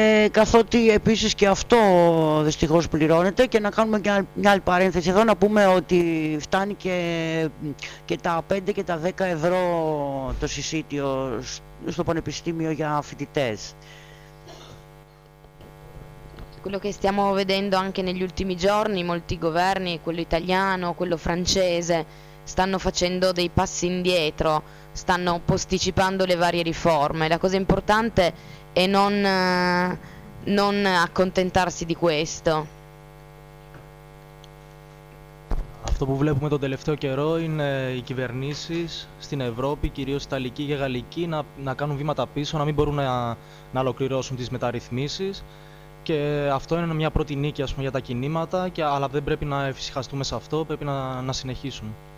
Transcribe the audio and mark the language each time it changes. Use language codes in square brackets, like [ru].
[el] Καθότι επίσης και αυτό δυστυχώς πληρώνεται και να κάνουμε και μια άλλη παρένθεση εδώ, να πούμε ότι φτάνει και τα 5 και τα 10 ευρώ το συσίτιο στο πανεπιστήμιο για φοιτητές. [it] Quello che stiamo vedendo anche negli ultimi giorni, molti governi, quello italiano, quello francese, stanno facendo dei passi indietro, stanno posticipando le varie riforme. La cosa importante e non accontentarsi di questo. [el] Αυτό που βλέπουμε τον τελευταίο καιρό είναι οι κυβερνήσεις στην Ευρώπη, κυρίως ιταλική και γαλλική, να κάνουν βήματα πίσω, να μην μπορούν να ολοκληρώσουν τις μεταρρυθμίσεις. Και αυτό είναι μια πρώτη νίκη, ας πούμε, για τα κινήματα, αλλά δεν πρέπει να εφησυχαστούμε σε αυτό, πρέπει να συνεχίσουμε.